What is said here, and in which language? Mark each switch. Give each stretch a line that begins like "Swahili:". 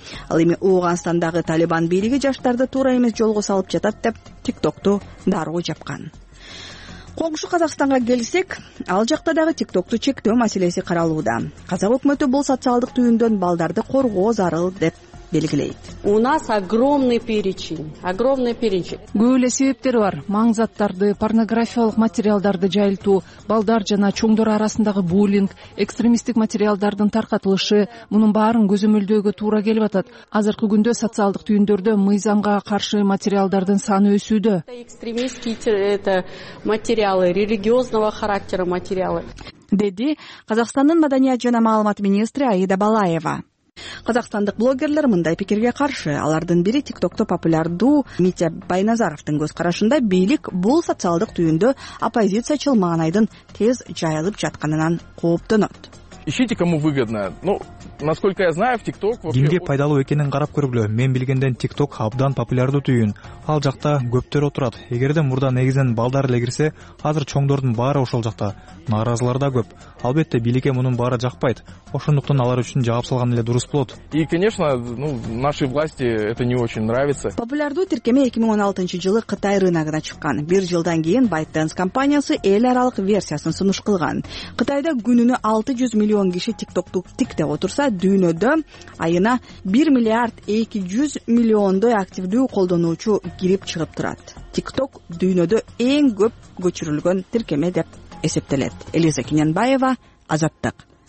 Kyrgyz: Ал эми Ооганстандагы Талибан бийлиги жаштарды туура эмес жолго салып жатат деп TikTok'ту дароо жапкан. Коңшу Казакстанга келсек, ал жакта дагы TikTok'ту чектөө маселеси каралууда. Казак өкмөтү бул социалдык түйүндөн балдарды коргоо зарыл деп белгилейт.
Russian: У нас огромный перечень. Огромный перечень.
Kyrgyz: Көп эле себептер бар. Маңзаттарды, порнографиялык материалдарды жайылтуу, балдар жана чоңдор арасындагы буллинг, экстремисттик материалдардын таркатылышы, мунун баарын көзөмөлдөөгө туура келип атат. Азыркы күндө социалдык түйүндөрдө мыйзамга каршы материалдардын саны өсүүдө.
Russian: Экстремисттик это материалы, религиозного характера материалы.
Kyrgyz: Деди Казакстандын маданият жана маалымат министри Аида Балаева. Казакстандык блогерлер мындай пикирге каршы. Алардын бири TikTok'то популярдуу Митя Байназаровдун көз карашында бийлик бул социалдык түйүндө оппозициячыл маанайдын тез жайылып жатканынан кооптонот.
Russian: Ищите, кому выгодно. Ну, насколько я знаю, в TikTok...
Kyrgyz: Кимге пайдалуу экенин карап көрүлө. Мен билгенден TikTok абдан популярдуу түйүн. Ал жакта көптөр отурат. Эгерде мурда негизинен балдар эле кирсе, азыр чоңдордун баары ошол жакта. Нааразылар да көп. Албетте, бийликке мунун баары жакпайт. Ошондуктан алар үчүн жаап салган эле дурус болот.
Russian: И, конечно, ну, нашей власти это не очень нравится.
Kyrgyz: Популярдуу тиркеме 2016 жылы Кытай рыногуна чыккан. Бир жылдан кийин ByteDance компаниясы эл аралык версиясын сунуш кылган. Кытайда күнүнө 600 миллион киши TikTok'ту тикте отурса, дүйнөдө айына 1 миллиард 200 миллиондой активдүү колдонуучу кирип чыгып турат. TikTok дүйнөдө эң көп көчүрүлгөн тиркеме деп эсептелет. Элиза Кененбаева, Азаттык.